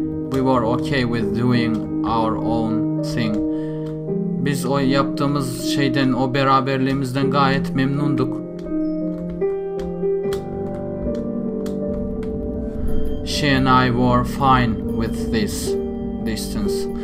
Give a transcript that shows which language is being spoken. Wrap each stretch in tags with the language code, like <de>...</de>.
<en>We were okay with doing our own thing.</en> <tr>Biz o yaptığımız şeyden, o beraberliğimizden gayet memnunduk.</tr> <en>She and I were fine with this distance.</en>